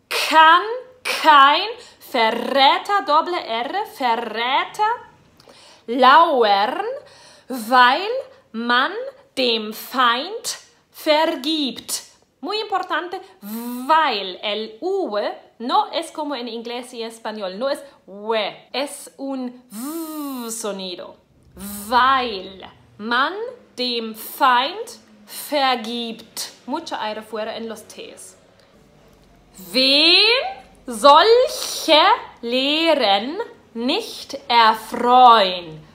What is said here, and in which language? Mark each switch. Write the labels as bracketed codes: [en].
[de] Kann, kein, verräter, [es] doble R, [de] verräter, lauern, weil man dem Feind vergibt. [es] Muy importante, weil, el U no es como en inglés y en español, no es we, es un V sonido. [de] Weil man dem Feind vergibt. [es] Mucho aire fuera en los T's. [de] Wen solche Lehren nicht erfreuen.